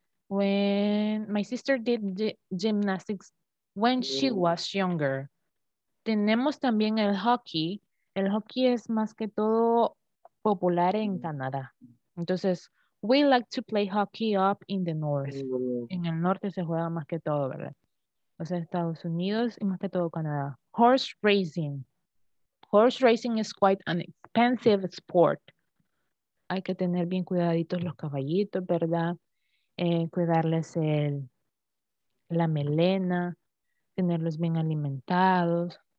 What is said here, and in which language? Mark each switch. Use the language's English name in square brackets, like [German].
[English] When my sister did gymnastics when she was younger. [Spanish] Tenemos también el hockey. El hockey es más que todo popular en Canadá. [English] Entonces, we like to play hockey up in the north. [Spanish] En el norte se juega más que todo, ¿verdad? O sea, Estados Unidos y más que todo Canadá. [English] Horse racing. Horse racing is quite an expensive sport. [Spanish] Hay que tener bien cuidaditos los caballitos, ¿verdad? Cuidarles la melena, tenerlos bien alimentados.